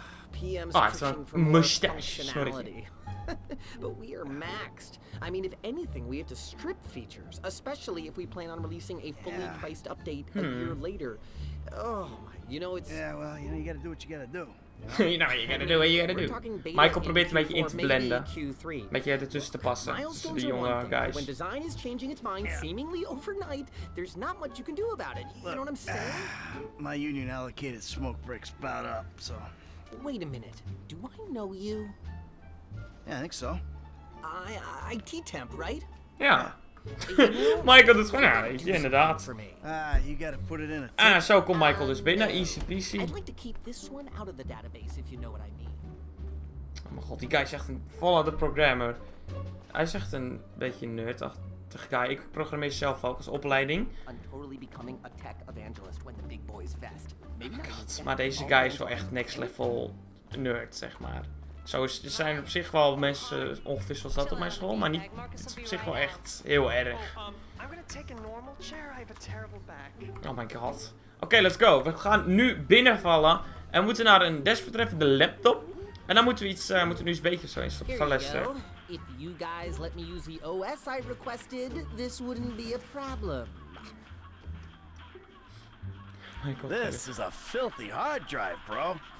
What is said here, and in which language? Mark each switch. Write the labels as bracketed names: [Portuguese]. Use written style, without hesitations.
[English] PM's pushing for functionality. But we are maxed. I mean, if anything, we have to strip features, especially if we plan on releasing a fully priced update a year later. Oh, you know it's. Yeah, well, you know you gotta do what you gotta do. You know, you gotta do what you gotta do. [Dutch] Michael probeert een beetje in te blenden. Een beetje ertussen te passen. De jonge guys. [English] When design is changing its mind seemingly overnight, there's not much you can do about it. You know what I'm saying? My union allocated smoke breaks about up, so. Wait a minute. Do I know you? Yeah, I think so. IT temp, right? [Dutch] Yeah. Michael, dat is gewoon aardig, ja, inderdaad. [English] You gotta put it in a [Dutch] zo komt Michael dus binnen, easy peasy. [English] I'd like to keep this one out of the database, if you know what I mean. [Dutch] Oh mijn god, die guy is echt een volle programmer. Hij is echt een beetje nerdachtig guy. Ik programmeer zelf ook als opleiding. [English] I'm totally becoming a tech evangelist when the big boys vest. Maybe [Dutch] oh god, maar deze guy is wel echt next level nerd, zeg maar. Zo is, er zijn op zich wel mensen, ongeveer zoals dat op mijn school, maar niet, het is op zich wel echt heel erg. [English] Oh my god. [Dutch] Oké, [English] let's go. [Dutch] We gaan nu binnenvallen en moeten naar een desbetreffende laptop. En dan moeten we iets, moeten we nu eens een beetje zo instoppen van Lester. [English] If you guys let me use the OS I requested, this wouldn't be a problem. This is a filthy hard drive, bro.